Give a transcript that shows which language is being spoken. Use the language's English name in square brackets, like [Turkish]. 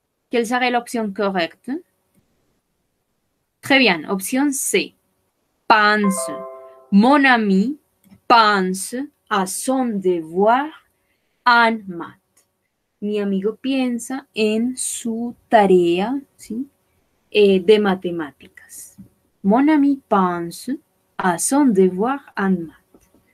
[French] Quelle serait l'option correcte? Très bien, option C. Pense. Mon ami pense à son devoir en maths. [Spanish] Mi amigo piensa en su tarea, ¿sí? De matemáticas. [French] Mon ami pense à son devoir en maths.